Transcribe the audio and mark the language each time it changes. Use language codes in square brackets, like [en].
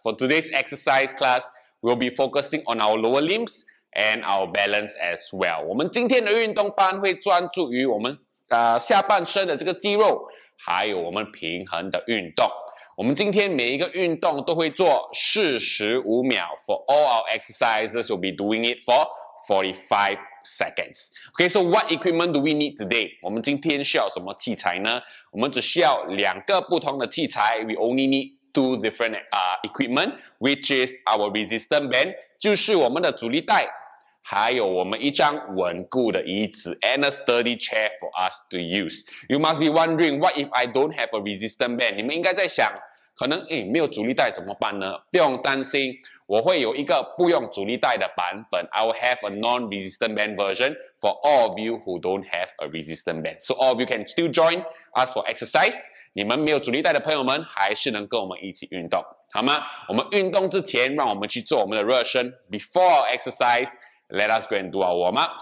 [en] For today's exercise class, we'll be focusing on our lower limbs and our balance as well. [zh] 我们今天的运动班会专注于我们下半身的这个肌肉，还有我们平衡的运动。我们今天每一个运动都会做45秒 [en] for all our exercises, we'll be doing it for 45 seconds. Okay, so what equipment do we need today? [zh] 我们今天需要什么器材呢？我们只需要两个不同的器材 [en] we only need two different equipment, which is our resistance band, [zh] 就是我们的阻力带，还有我们一张稳固的椅子 [en] and a sturdy chair for us to use. You must be wondering, what if I don't have a resistance band? [zh] 你们应该在想，可能没有阻力带怎么办呢？不用担心，我会有一个不用阻力带的版本。 [en] I will have a non-resistant band version for all of you who don't have a resistant band. So all of you can still join us for exercise. [zh] 你们没有阻力带的朋友们还是能跟我们一起运动，好吗？我们运动之前，让我们去做我们的热身。 [en] Before our exercise, let us go and do our warm up.